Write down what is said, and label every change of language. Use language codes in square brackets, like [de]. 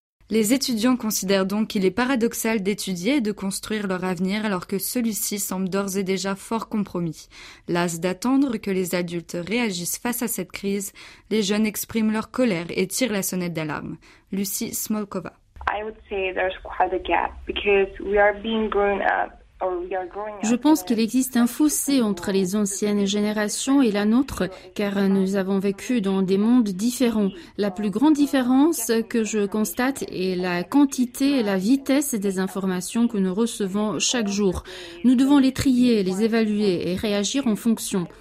[fr] Les étudiants considèrent donc qu'il est paradoxal d'étudier et de construire leur avenir alors que celui-ci semble d'ores et déjà fort compromis. Las d'attendre que les adultes réagissent face à cette crise, les jeunes expriment leur colère et tirent la sonnette d'alarme. Lucie Smolkova. [en] I would say there's quite a gap because we are being grown up. [fr] Je pense qu'il existe un fossé entre les anciennes générations et la nôtre, car nous avons vécu dans des mondes différents. La plus grande différence que je constate est la quantité et la vitesse des informations que nous recevons chaque jour. Nous devons les trier, les évaluer et réagir en fonction.